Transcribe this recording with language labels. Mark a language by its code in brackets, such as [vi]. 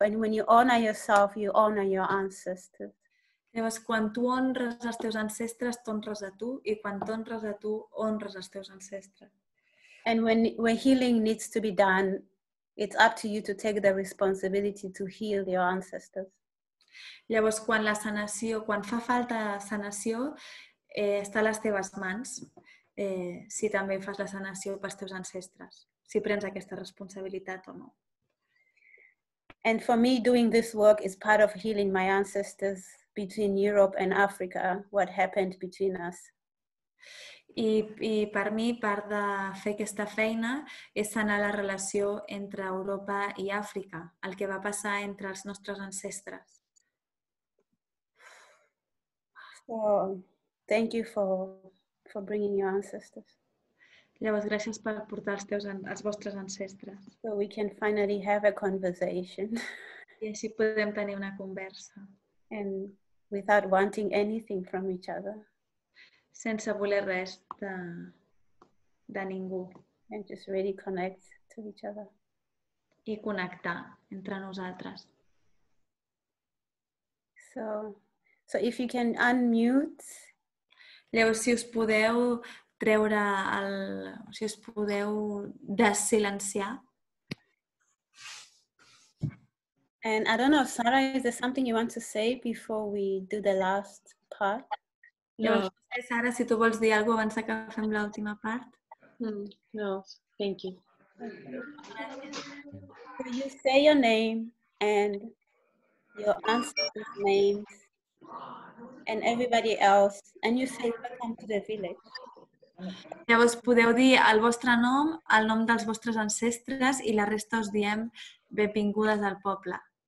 [en] And when you honor yourself, you honor your ancestors. [ca] Llavors, quan tu honres els teus ancestres, t'honres a tu. I quan t'honres a tu, honres els teus ancestres. [en] And when healing needs to be done, it's up to you to take the responsibility to heal your ancestors. [ca] Llavors, quan la sanació, quan fa falta sanació, està a les teves mans, si també fas la sanació pels teus ancestres, si prens aquesta responsabilitat o no. [en] And for me, doing this work is part of healing my ancestors between Europe and Africa, what happened between us. [ca] I per mi, part de fer aquesta feina és sanar la relació entre Europa i Àfrica, el que va passar entre els nostres ancestres. [en] So, thank you for bringing your ancestors. [ca] Llavors, gràcies per portar els vostres ancestres. [en] So we can finally have a conversation. [ca] I així podem tenir una conversa. [en] And without wanting anything from each other. [ca] Sense voler res de ningú. [en] And just really connect to each other. [ca] I connectar entre nosaltres. [en] So if you can unmute. [ca] Llavors, si us podeu treure si us podeu desilenciar. [en] And I don't know, Sara, is there something you want to say before we do the last part? [ca] Llavors, no. Sara, si tu vols dir alguna cosa abans que fem l'última part. [en] No, thank you. Could you say your name and your ancestors' names? And everybody else, and you say welcome to the village. [ca] Llavors podeu dir el vostre nom, el nom dels vostres ancestres i la resta us diem benvingudes al poble.